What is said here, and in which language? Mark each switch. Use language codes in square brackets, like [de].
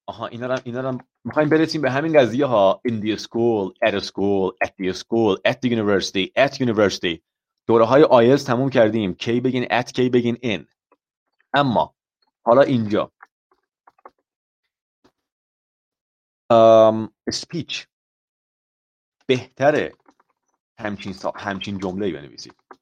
[fa] اینا رو می‌خوایم برسیم به همین قضیه ها. [en] In the school, at a school, at the school, at the university, at university. [fa] دوره های IELTS تموم کردیم. K بگین at, K بگین in. اما حالا اینجا speech بهتره همچین جمله‌ای بنویسید.